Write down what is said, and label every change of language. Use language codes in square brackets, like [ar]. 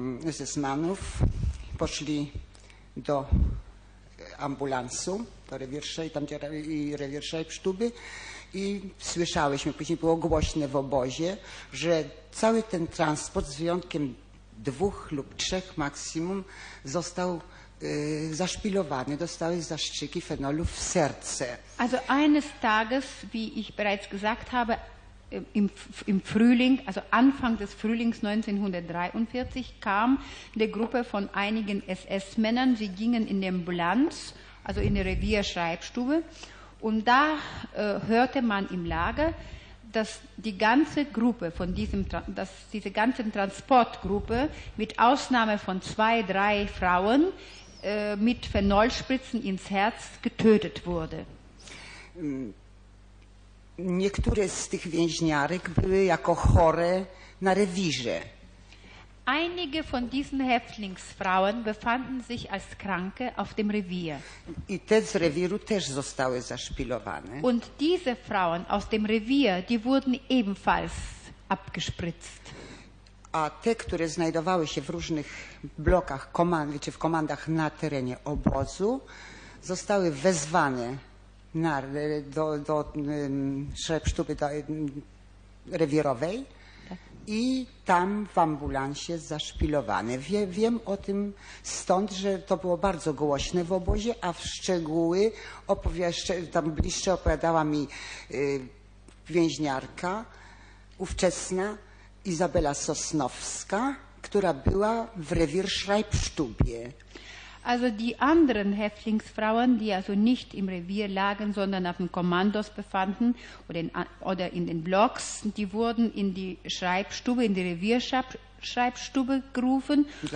[pl] SS-manów, poszli do ambulansu, do rewierszej, tam gdzie rewierszej psztuby i słyszałyśmy, później było głośne w obozie, że cały ten transport z wyjątkiem dwóch lub trzech maksimum został zaszpilowany, dostały zastrzyki fenolu w serce. [de] Also eines Tages, wie ich bereits gesagt habe, im Frühling, also Anfang des Frühlings 1943, kam eine Gruppe von einigen SS-Männern. Sie gingen in die Ambulanz, also in die Revierschreibstube. Und da hörte man im Lager, dass die ganze Gruppe, dass diese ganze Transportgruppe, mit Ausnahme von zwei, drei Frauen, mit Phenolspritzen ins Herz getötet wurde. [pl] Niektóre z tych więźniarek były jako chore na rewirze. [de] Einige von diesen Häftlingsfrauen befanden sich als Kranke auf dem Revier. [pl] I te z rewiru też zostały zaszpilowane. [de] Und diese Frauen aus dem Revier, die wurden ebenfalls abgespritzt. [pl] A te, które znajdowały się w różnych blokach, w komandach na terenie obozu, zostały wezwane do Schreibstube rewirowej. I tam w ambulansie zaszpilowane. Wiem o tym stąd, że to było bardzo głośne w obozie, a w szczegóły tam bliższe opowiadała mi więźniarka ówczesna Izabela Sosnowska, która była w rewir Schreibstube. [de] Also die anderen Häftlingsfrauen, die also nicht im Revier lagen, sondern auf den Kommandos befanden oder in den Blocks, die wurden in die Schreibstube, in die Revierschreibstube gerufen.